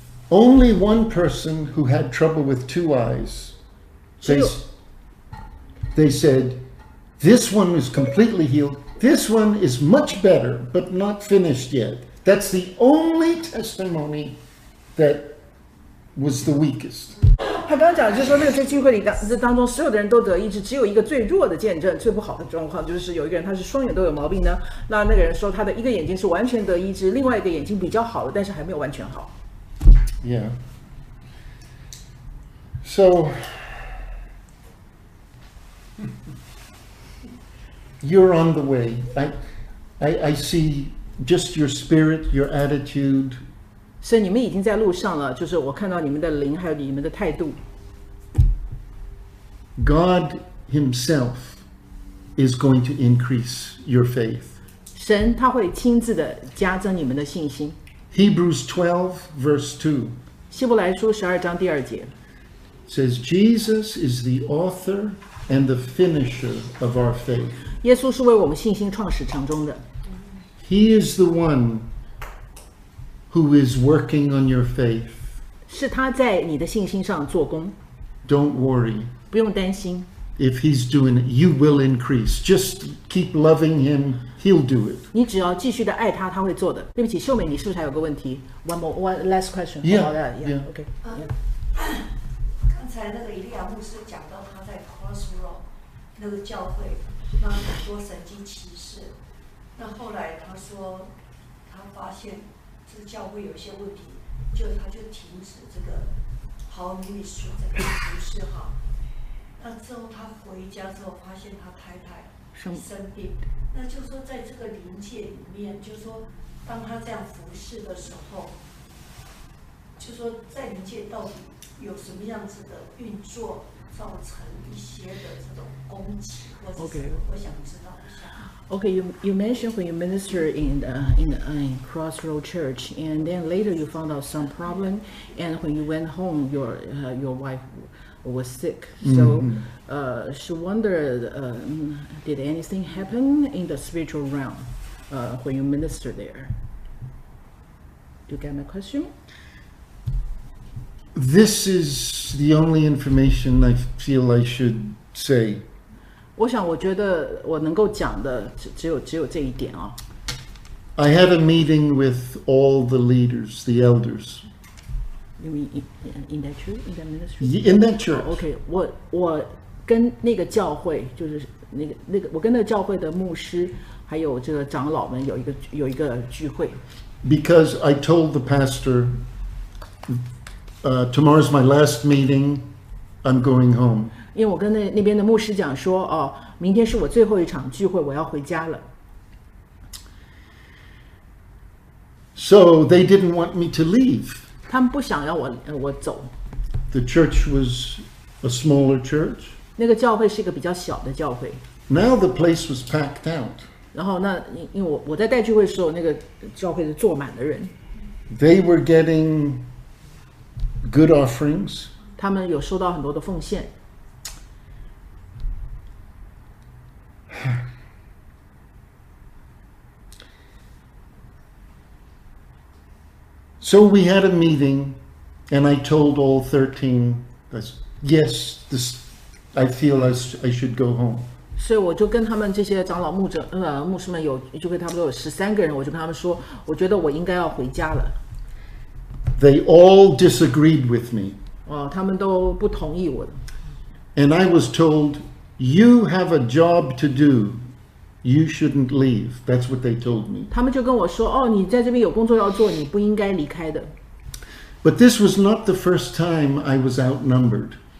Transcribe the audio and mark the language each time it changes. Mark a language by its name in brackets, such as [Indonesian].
[English] Only one person who had trouble with two eyes, they said, this one is completely healed. This one is much better, but not finished yet. That's the only testimony that was the weakest. [Chinese] 他刚刚讲的就是说，那个在聚会里当中，所有的人都得医治，只有一个最弱的见证，最不好的状况就是有一个人他是双眼都有毛病呢。那个人说他的一个眼睛是完全得医治，另外一个眼睛比较好了，但是还没有完全好。 [English] Yeah. So, you're on the way. I see just your spirit, your attitude. [Chinese] So, 你们已经在路上了，就是我看到你们的灵还有你们的态度。 [English] God Himself is going to increase your faith. [Chinese] 神他会亲自的加增你们的信心。 [English] Hebrews 12, verse 2. [Chinese] 希伯来书十二章第二节 [English] says Jesus is the author and the finisher of our faith. [Chinese] 耶稣是为我们信心创始成终的。 [English] He is the one who is working on your faith. [Chinese] 是他在你的信心上做工。 [English] Don't worry. [Chinese] 不用担心。 [English] If he's doing it, you will increase. Just keep loving him, he'll do it. [Chinese] 你只要继续的爱他，他会做的。对不起，秀美，你是不是还有个问题？ [English] One last question. Yeah, yeah, yeah. Okay. [Chinese] 刚才那个以利亚牧师讲到他在 Crossroad 那个教会，那很多神迹奇事。那后来他说，他发现这个教会有些问题，就他就停止这个 Paul Ministry 这个服事哈。那之后他回家之后发现他太太生病，那就是说在这个灵界里面，就是说当他这样服侍的时候，就是说在灵界到底有什么样子的运作，造成一些的这种攻击或者什么，我想知道一下。 [English] Okay, you mentioned when you minister in Crossroad Church, and then later you found out some problem, and when you went home, your wife was sick. So, she wondered, did anything happen in the spiritual realm when you minister there? Do you get my question? This is the only information I feel I should say. [Chinese] 我想我觉得我能够讲的只有这一点啊。 [English] I had a meeting with all the leaders, the elders. You mean in that church? In that ministry? In that church. [Chinese] Okay, 我跟那个教会，就是那个我跟那个教会的牧师还有这个长老们有一个聚会。 [English] Because I told the pastor, tomorrow's my last meeting, I'm going home. [Chinese] 因为我跟那边的牧师讲说，哦，明天是我最后一场聚会，我要回家了。 [English] So they didn't want me to leave. [Chinese] 他们不想要我走。 [English] The church was a smaller church. [Chinese] 那个教会是一个比较小的教会。 [English] Now the place was packed out. [Chinese] 然后那因为我在带聚会的时候，那个教会是坐满的人。 [English] They were getting good offerings. [Chinese] 他们有收到很多的奉献。 [English] So we had a meeting, and I told all 13, yes, this, I feel I should go home. [Chinese] 所以我就跟他们这些长老牧师们有，就跟他们都有13个人，我就跟他们说，我觉得我应该要回家了。 [English] They all disagreed with me. [Chinese] 哦，他们都不同意我的。 [English] And I was told, you have a job to do. You shouldn't leave. That's what they told me. [Chinese] 他们就跟我说，哦，你在这边有工作要做，你不应该离开的。 [English] But this was not the first time I was outnumbered.